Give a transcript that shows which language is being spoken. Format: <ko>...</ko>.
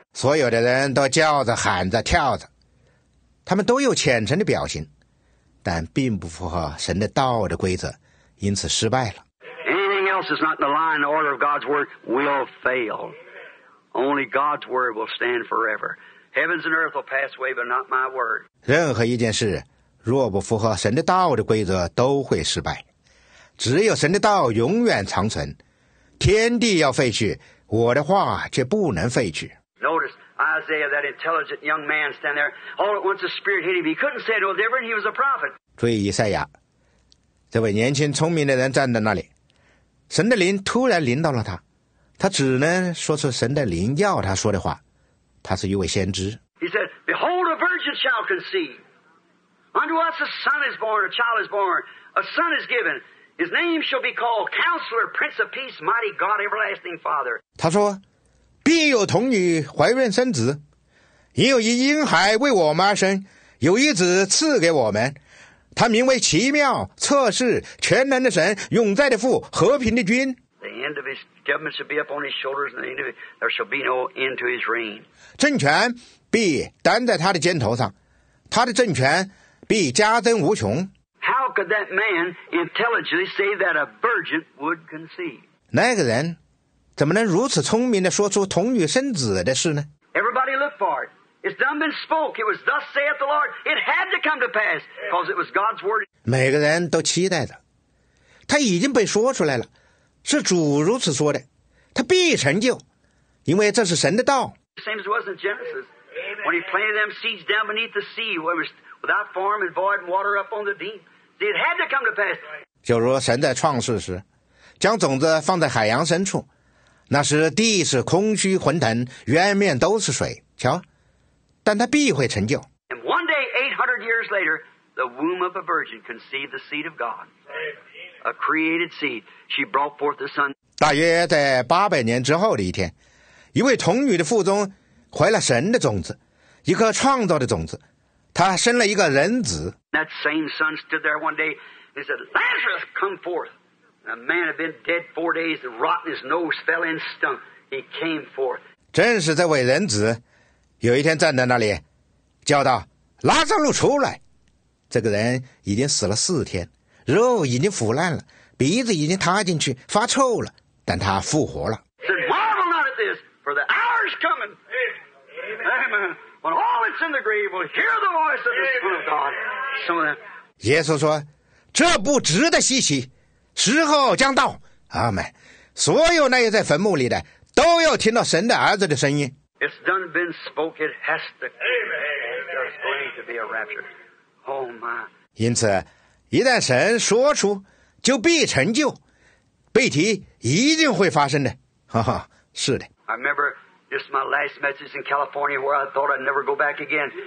<zh>所有的人都叫着、喊着、跳着，他们都有虔诚的表情，但并不符合神的道的规则，因此失败了。</zh> <en>Anything else is not in the line order of God's word will fail. Only God's word will stand forever. Heavens and earth will pass away, but not my word.</en> <zh>任何一件事。若不符合神的道的规则都会失败，只有神的道永远长存，天地要废去，我的话却不能废去。</zh> <en>Notice Isaiah, that intelligent young man stand there, all at once a spirit hit him, he couldn't say it was different, he was a prophet.</en> <zh>注意以赛亚，这位年轻聪明的人站在那里，神的灵突然临到了他，他只能说出神的灵要他说的话，他是一位先知。</zh> <en>He said, Behold, a virgin shall conceive. Unto us a son is born, a child is born, a son is given. His name shall be called Counselor, Prince of Peace, Mighty God, Everlasting Father.</en> <zh>他说，必有童女怀孕生子，也有一婴孩为我们而生，有一子赐给我们，他名为奇妙、测试、全能的神、永在的父、和平的君。</zh> <en>The end of his government shall be upon his shoulders, and the end of it, there shall be no end to his reign.</en> <zh>政权必担在他的肩头上，他的政权。必加增无穷。</zh> <en>How could that man intelligently say that a virgin would conceive?</en> <zh>那个人怎么能如此聪明地说出童女生子的事呢？</zh> <en>Everybody look for it. It's done been spoke. It was thus saith the Lord. It had to come to pass because it was God's word.</en> <zh>每个人都期待着，他已经被说出来了，是主如此说的，他必成就，因为这是神的道。</zh> <en>Same as it was in Genesis when he planted them seeds down beneath the sea where it was. Without form and void, water up on the deep. It had to come to pass.</en> <zh>就如神在创世时，将种子放在海洋深处，那时地是空虚浑沌，渊面都是水。瞧，但它必会成就。</zh> <en>And one day, 800 years later, the womb of a virgin conceived the seed of God, a created seed. She brought forth the son.</en> <zh>大约在800年之后的一天，一位童女的腹中怀了神的种子，一颗创造的种子。他生了一个人子。</zh> <en>That same son stood there one day. He said, "Lazarus, come forth." A man had been dead 4 days. The rottenness nose fell in stunk. He came forth.</en> <zh>正是这位人子，有一天站在那里，叫道：“拉撒路出来！” 这个人已经死了4天，肉已经腐烂了，鼻子已经塌进去，发臭了，但他复活了。</zh> <en>Said, "Marvel not at this, for the hour is coming." Amen. When all that's in the grave will hear the voice of the Son of God, some of them.</en> <zh>耶稣说，这不值得稀奇，时候将到。阿们，所有那些在坟墓里的，都要听到神的儿子的声音。</zh> <en>It's done been spoken, it has to come. There's going to be a rapture. Oh my.</en> <zh>因此，一旦神说出，就必成就，被提一定会发生的。哈哈，是的。</zh> <en>I remember This is my last message in California where I thought I'd never go back again.</en>